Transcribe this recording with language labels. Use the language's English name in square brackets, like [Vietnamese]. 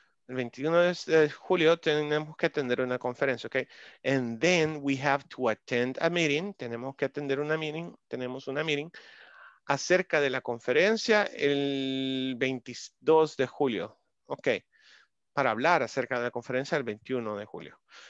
[Spanish] El 21 de julio tenemos que atender una conferencia, okay? [English] And then we have to attend a meeting. [Spanish] Tenemos que atender una meeting. Tenemos una meeting acerca de la conferencia el 22 de julio. Okay. Para hablar acerca de la conferencia el 21 de julio.